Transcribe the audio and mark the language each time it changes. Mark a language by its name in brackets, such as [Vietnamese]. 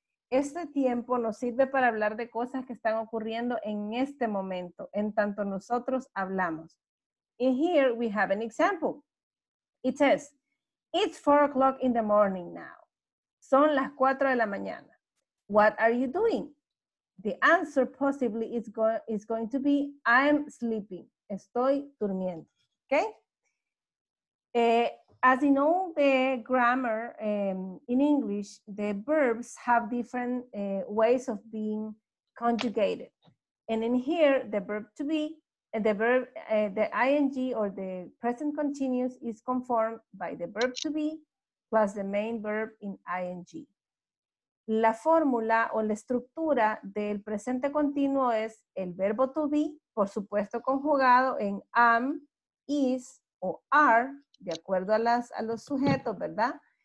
[Spanish] Este tiempo nos sirve para hablar de cosas que están ocurriendo en este momento, en tanto nosotros hablamos. [English] And here we have an example. It says, it's 4 o'clock in the morning now. [Spanish] Son las 4 de la mañana. [English] What are you doing? The answer possibly is going to be, I'm sleeping. [Spanish] Estoy durmiendo. Okay? [English] As you know, the grammar in English, the verbs have different ways of being conjugated. And in here, the verb to be, the ing or the present continuous is conformed by the verb to be plus the main verb in ing. [Spanish] La fórmula o la estructura del presente continuo es el verbo to be, por supuesto conjugado en am, is, o are, de acuerdo a los sujetos, ¿verdad?